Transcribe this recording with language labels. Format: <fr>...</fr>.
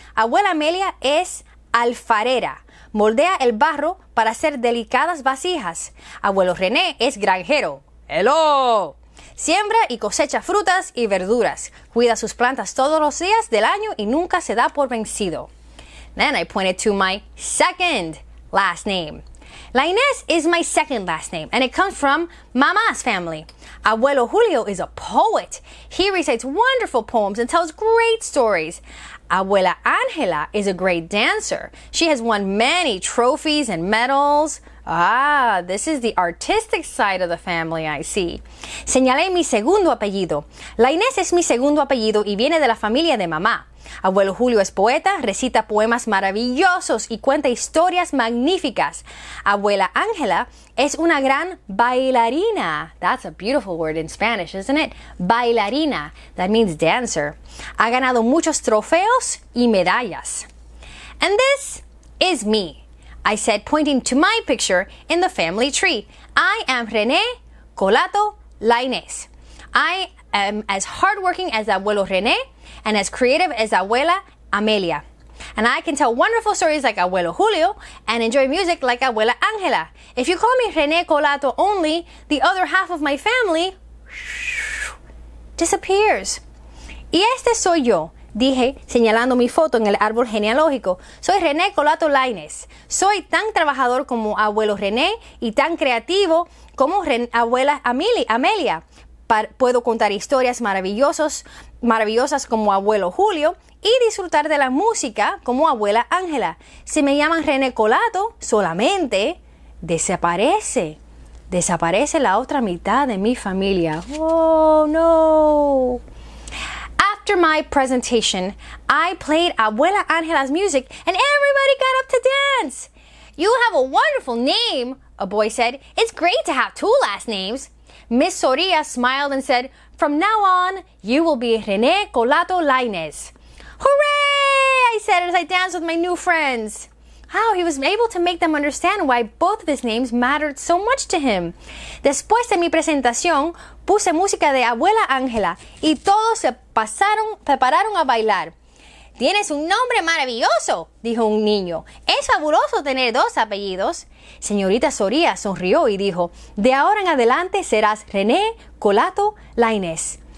<es>Abuela Amelia es alfarera. Moldea el barro para hacer delicadas vasijas. Abuelo René es granjero.</es> <en>Hello!</en> <es>Siembra y cosecha frutas y verduras. Cuida sus plantas todos los días del año y nunca se da por vencido.</es> <en>Then I pointed to my second last name. Laínez is my second last name, and it comes from Mama's family. Abuelo Julio is a poet. He recites wonderful poems and tells great stories. Abuela Ángela is a great dancer. She has won many trophies and medals. Ah, this is the artistic side of the family, I see.</en> <es>Señalé mi segundo apellido. Laínez es mi segundo apellido y viene de la familia de mamá. Abuelo Julio es poeta, recita poemas maravillosos y cuenta historias magníficas. Abuela Ángela es una gran bailarina.</es> <en>That's a beautiful word in Spanish, isn't it?</en> <es>Bailarina.</es> <en>That means dancer.</en> <es>Ha ganado muchos trofeos y medallas.</es> <en>And this is me, I said, pointing to my picture in the family tree. I am René Colato Laínez. I am as hardworking as Abuelo René and as creative as Abuela Amelia. And I can tell wonderful stories like Abuelo Julio and enjoy music like Abuela Ángela. If you call me René Colato only, the other half of my family disappears.</en> <es>Y este soy yo. Dije, señalando mi foto en el árbol genealógico, soy René Colato Laínez. Soy tan trabajador como abuelo René y tan creativo como abuela Amelia. Puedo contar historias maravillosas como abuelo Julio y disfrutar de la música como abuela Ángela. Si me llaman René Colato, solamente desaparece la otra mitad de mi familia.</es> <en>Oh, no. After my presentation, I played Abuela Angela's music and everybody got up to dance. You have a wonderful name, a boy said. It's great to have two last names. Miss Soria smiled and said, from now on, you will be René Colato Laínez. Hooray, I said as I danced with my new friends. Wow, he was able to make them understand why both of his names mattered so much to him.</en> <es>Después de mi presentación, puse música de Abuela Ángela y todos se prepararon a bailar. Tienes un nombre maravilloso, dijo un niño. Es fabuloso tener dos apellidos. Señorita Soria sonrió y dijo, de ahora en adelante serás René Colato Laínez.</es>